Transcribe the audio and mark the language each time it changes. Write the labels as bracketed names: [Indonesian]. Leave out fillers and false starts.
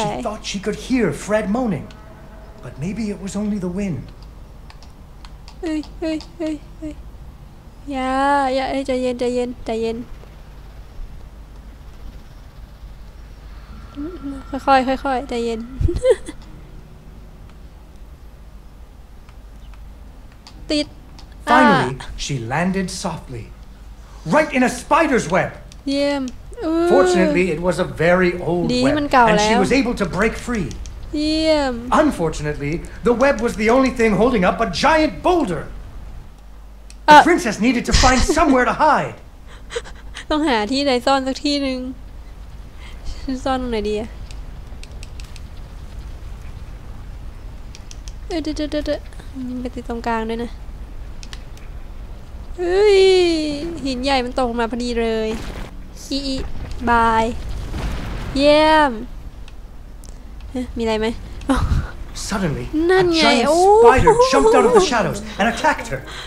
[English] She thought she could hear Fred moaning but maybe it was only the wind [Thai] เฮ้ยเฮ้ยเฮ้ยยาใจเย็นใจเย็นใจเย็นค่อยๆค่อยๆใจเย็นติด [English] Finally she landed softly right in a spider's web [Thai] เยี่ยม [English] Fortunately it was a very old web and she was able to break free [Thai] เยี่ยม [English] Unfortunately the web was the only thing holding up a giant boulder The princess needed to find somewhere to hide [Thai] ต้องหาที่ใดซ่อนสักที่นึงซ่อนตรงไหนดีอ่ะเออเด้อเด้อเด้อมันไปติดตรงกลางด้วยนะเฮ้ยหินใหญ่มันตกมาพอดีเลยอีบายเยี่ยมมีอะไรไหม [English] Suddenly, [Thai] นั่นไง [English] spider jumped out of the shadows and attacked her.